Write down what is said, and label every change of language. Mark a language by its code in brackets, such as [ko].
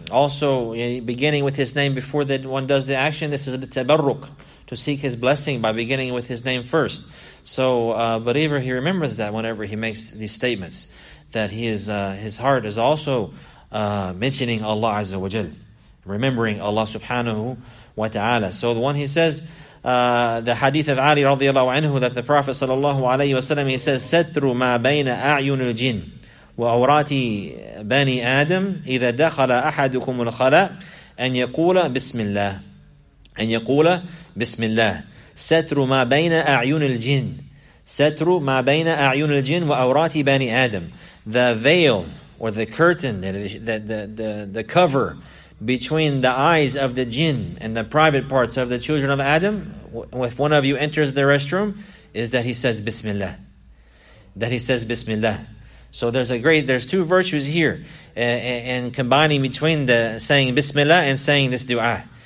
[en] Also, beginning with His name before that one does the action, this is al-tabarruk, to seek His blessing by beginning with His name first. So, believer, he remembers that whenever he makes these statements, that he is, his heart is also mentioning Allah Azza wa Jal, remembering Allah subhanahu wa ta'ala. So the one he says, [ar] the hadith of Ali radiallahu anhu, that the Prophet sallallahu alayhi wa sallam, he says, سَتْرُ مَا بَيْنَ أَعْيُنُ الْجِنِ وَأَوْرَاتِ بَنِي آدَمْ إِذَا دَخَلَ أَحَدُكُمُ الْخَلَىٰ أَنْ يَقُولَ بِسْمِ اللَّهِ أَنْ يَقُولَ بِسْمِ اللَّهِ سَتْرُ مَا بَيْنَ أَعْيُنُ الْجِنِ سَتْرُ مَا بَيْنَ أَعْيُنُ الْجِنِ وَأَوْرَاتِ بَنِي آدَمْ. [en] The veil or the curtain, the cover between the eyes of the jinn and the private parts of the children of Adam, if one of you enters the restroom, is that he says bismillah. That he says bismillah. So there's two virtues here in combining between the saying bismillah and saying this dua.